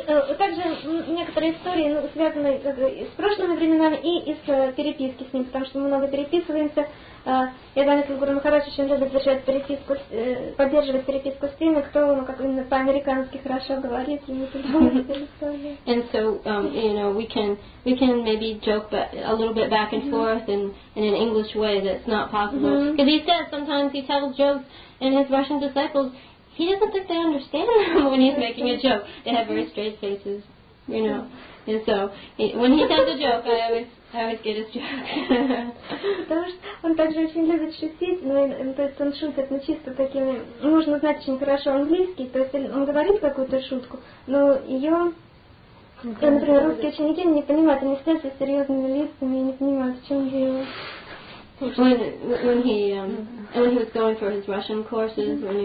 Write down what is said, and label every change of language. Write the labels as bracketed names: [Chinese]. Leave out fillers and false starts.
[Russian] И также некоторые истории, ну, связаны с прошлыми временами и из переписки с ним, потому что мы много переписываемся. Я знаю, что Гуру Махарадж очень любит держать переписку, поддерживать переписку с теми, кто, ну, как именно по-американски хорошо говорит, и не придумывает. [English] And so, you know, we can maybe joke a little bit back and forth in an English way that's not possible. Because he says sometimes he tells jokes and his Russian disciples, he doesn't think they understand him when he's making a joke. They have very straight faces, you know. And so, when he tells a joke, I always get his joke. [Russian] Потому что он также очень любит шутить, но то есть он шутит, но чисто такими, можно знать очень хорошо английский, то есть он говорит какую-то шутку, но ее, например, русские ученики не понимают, они стоят с серьезными лицами и не понимают, в чем дело. [English] When he was going for his Russian courses, mm-hmm.